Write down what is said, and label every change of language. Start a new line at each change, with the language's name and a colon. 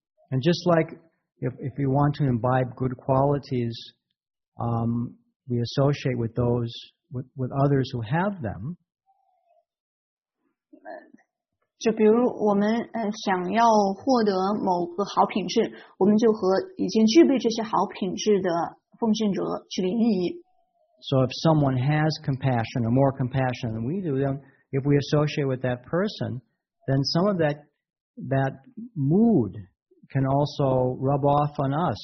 English: And just like if we want to imbibe good qualities, we associate with those with others who have them.
Chinese: 就比如我们想要获得某个好品质，我们就和已经具备这些好品质的奉献者去联谊。
English: So if someone has compassion or more compassion than we do, then if we associate with that person, then some of that mood can also rub off on us.